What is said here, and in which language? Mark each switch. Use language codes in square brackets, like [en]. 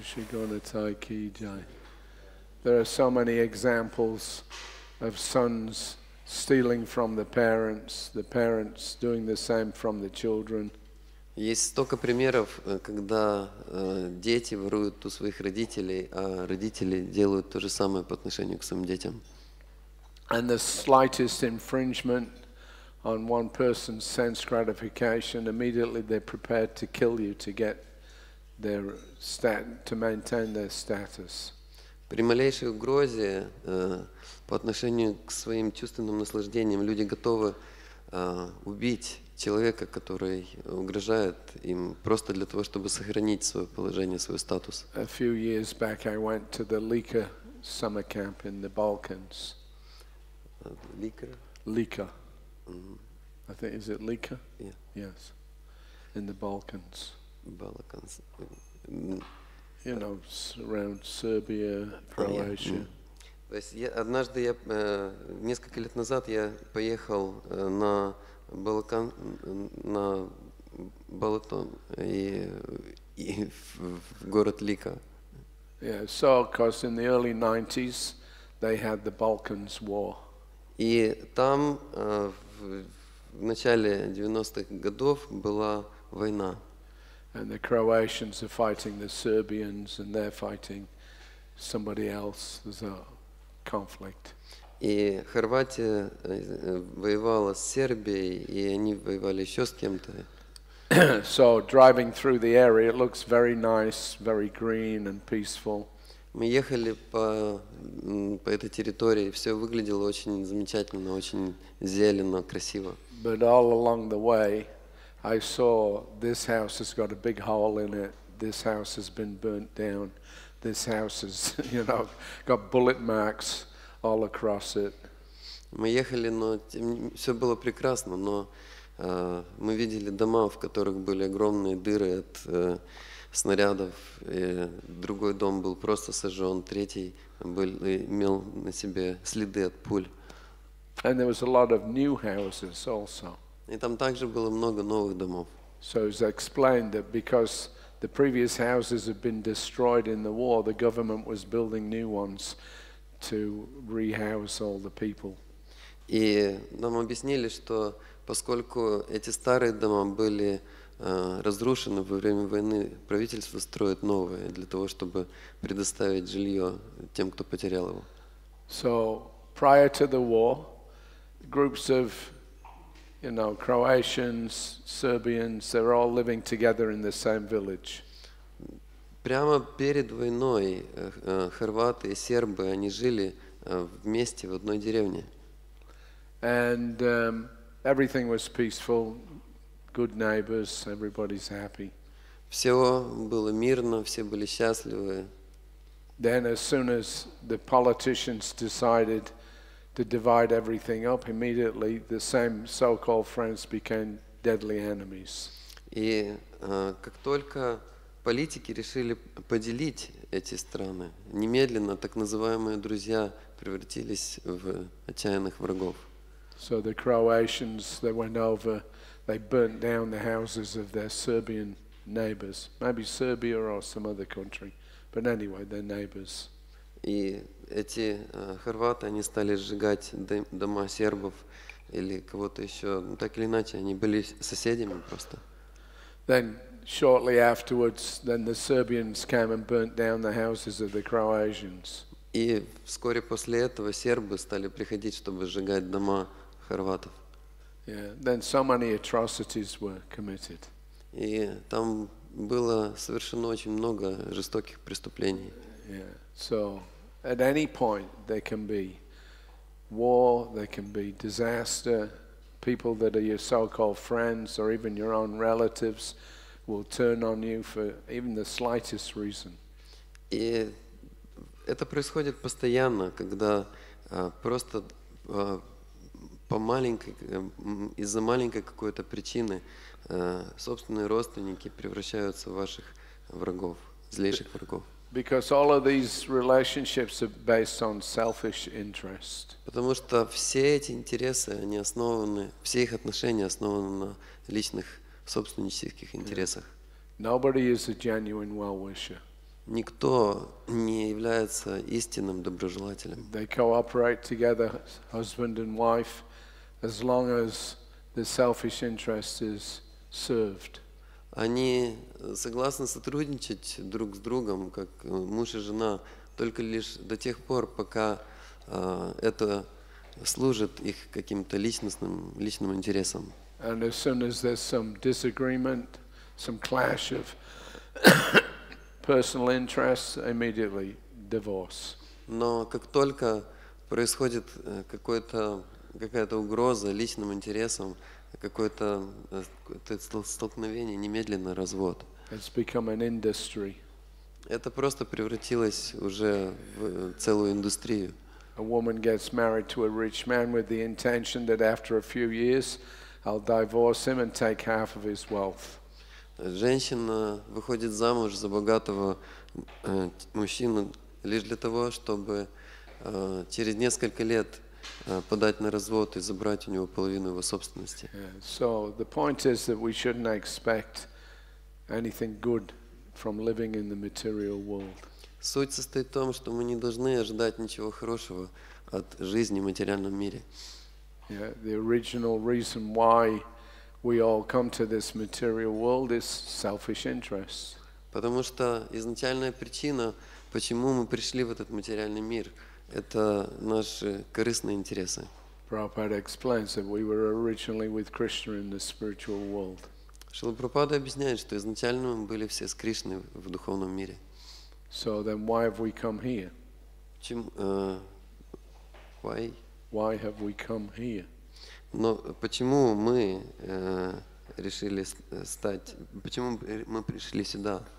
[en] There are so many examples of sons stealing from the parents doing the same from the children. [ru] Есть столько примеров, когда дети воруют у своих родителей, а родители делают то же самое по отношению к своим детям. [en] And the slightest infringement on one person's sense gratification, immediately they're prepared to kill you to get their to maintain their status. [ru] При малейшей угрозе по отношению к своим чувственным наслаждениям люди готовы убить человека, который угрожает им просто для того, чтобы сохранить свое положение, свой статус. [en] A few years back I went to the Lika summer camp in the Balkans. Lika. Mm-hmm. I think, is it Lika? Yeah. Yes. In the Balkans. Balkans. You know, around Serbia, Croatia. Yeah. Mm-hmm. [ru] То есть я, однажды я несколько лет назад я поехал на Балкан, на Балатон и в город Лика. [en] Yeah, so of course in the early 90s they had the Balkans War. [ru] И там в начале 90-х годов была война. [en] And the Croatians are fighting the Serbians and they're fighting somebody else. There's a conflict. [ru] И Хорватия воевала с Сербией, и они воевали еще с кем-то. [en] So driving through the area, it looks very nice, very green and peaceful. [ru] Мы ехали по этой территории, все выглядело очень замечательно, очень зелено, красиво. [en] But all along the way, I saw this house has got a big hole in it. This house has been burnt down. This house has, you know, got bullet marks all across it. [ru] Мы ехали, но все было прекрасно, но мы видели дома, в которых были огромные дыры от снарядов, и другой дом был просто сожжен, третий имел на себе следы от пуль. [en] And there was a lot of new houses also. [ru] И там также было много новых домов. [en] So it's explained that because the previous houses have been destroyed in the war, the government was building new ones to rehouse all the people. [ru] И нам объяснили, что поскольку эти старые дома были разрушены во время войны, правительство строит новые для того, чтобы предоставить жилье тем, кто потерял его. [en] So prior to the war, groups of, you know, Croatians, Serbians, they're all living together in the same village. [ru] Прямо перед войной хорваты и сербы, они жили вместе в одной деревне. [en] And everything was peaceful, good neighbors, everybody's happy. [ru] Все было мирно, все были счастливы. [en] Then as soon as the politicians decided to divide everything up, immediately the same so-called friends became deadly enemies. [ru] И как только политики решили поделить эти страны, немедленно так называемые друзья превратились в отчаянных врагов. [en] So the Croatians, they went over, they burnt down the houses of their Serbian neighbors, maybe Serbia or some other country, but anyway, their neighbors. [ru] И эти хорваты, они стали сжигать дома сербов или кого-то еще. Так или иначе, они были соседями просто. [en] Then, shortly afterwards, then the Serbians came and burnt down the houses of the Croatians. [ru] И вскоре после этого сербы стали приходить, чтобы сжигать дома хорватов. [en] Yeah. Then so many atrocities were committed. [ru] И там было совершено очень много жестоких преступлений. [en] Yeah. So at any point there can be war, there can be disaster, people that are your so-called friends or even your own relatives will turn on you for even the slightest reason. [ru] И это происходит постоянно, когда просто по маленькой, из-за маленькой какой-то причины собственные родственники превращаются в ваших врагов, злейших врагов. [en] Because all of these relationships are based on selfish interest. [ru] Потому что все эти интересы, они основаны, все их отношения основаны на личных собственнических интересах. [en] Nobody is a genuine well-wisher. [ru] Никто не является истинным доброжелателем. [en] They cooperate together, husband and wife, as long as the selfish interest is served. [ru] Они согласны сотрудничать друг с другом, как муж и жена, только лишь до тех пор, пока это служит их каким-то личным интересам. [en] And as soon as there's some disagreement, some clash of personal interests, immediately divorce. [ru] Но как только происходит какая-то угроза личным интересам, какое-то столкновение, немедленно развод. [en] It's become an industry. [ru] Это просто превратилось уже в целую индустрию. [en] A woman gets married to a rich man with the intention that after a few years I'll divorce him and take half of his wealth. [ru] Женщина выходит замуж за богатого мужчину лишь для того, чтобы через несколько лет подать на развод и забрать у него половину его собственности. [en] Yeah. So the point is that we shouldn't expect anything good from living in the material world. [ru] Суть состоит в том, что мы не должны ожидать ничего хорошего от жизни в материальном мире. [en] Yeah. The original reason why we all come to this material world is selfish interest. [ru] Потому что изначальная причина, почему мы пришли в этот материальный мир, это наши корыстные интересы. [en] Prabhupada explains that we were originally with Krishna in the spiritual world. [ru] Шрила Прабхупада объясняет, что изначально мы были все с Кришной в духовном мире. [en] So then why have we come here? Why have we come here? [ru] Но почему мы решили стать, почему мы пришли сюда?